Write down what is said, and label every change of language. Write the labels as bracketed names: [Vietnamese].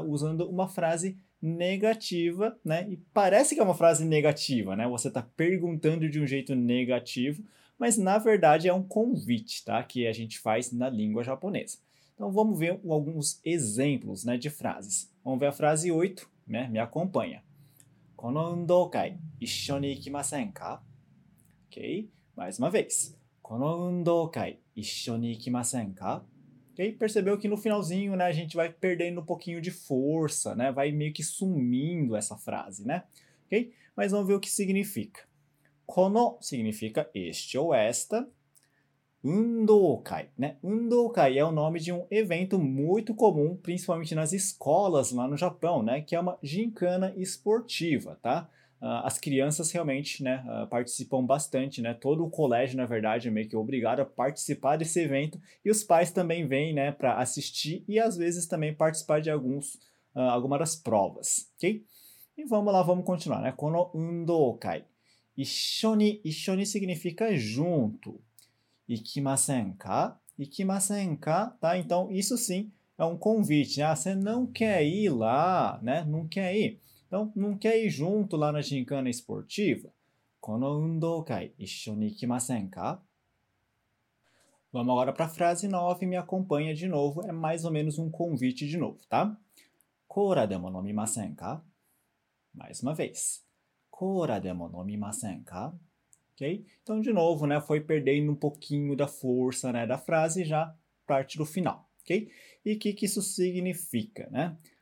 [Portuguese] Usando uma frase negativa, né? E parece que é uma frase negativa, né? Você está perguntando de um jeito negativo, mas na verdade é um convite, tá? Que a gente faz na língua japonesa. Então vamos ver alguns exemplos, né, de frases. Vamos ver a frase 8, né? Me acompanha. [Japanese] この運動会、一緒に行きませんか？ [Portuguese] OK? Mais uma vez. [Japanese] この運動会、一緒に行きませんか？ [Portuguese] OK? Percebeu que no finalzinho, né, a gente vai perdendo um pouquinho de força, né? Vai meio que sumindo essa frase, né? OK? Mas vamos ver o que significa. この significa este ou esta. 運動会, né? 運動会 é o nome de um evento muito comum, principalmente nas escolas lá no Japão, né? Que é uma gincana esportiva, tá? As crianças realmente, né, participam bastante, né? Todo o colégio, na verdade, é meio que obrigado a participar desse evento, e os pais também vêm, né, para assistir e às vezes também participar de algumas das provas, ok? E vamos lá, vamos continuar, né? Kono 運動会.Isshoni significa junto. [Japanese] Ikimasen ka? Ikimasen ka? Tá? [Portuguese] Então, isso sim é um convite. Ah, você não quer ir lá, né? Não quer ir. Então, não quer ir junto lá na gincana esportiva? [Japanese] この運動会一緒に行きませんか？ [Portuguese] Vamos agora para a frase 9, me acompanha de novo. É mais ou menos um convite de novo, tá? [Japanese] Cora demo nomimasen ka? [Portuguese] Mais uma vez. [Japanese] Cora demo nomimasen ka? [Portuguese] Ok? Então, de novo, né? Foi perdendo um pouquinho da força, né, da frase já parte do final, ok? E o que, que isso significa, né?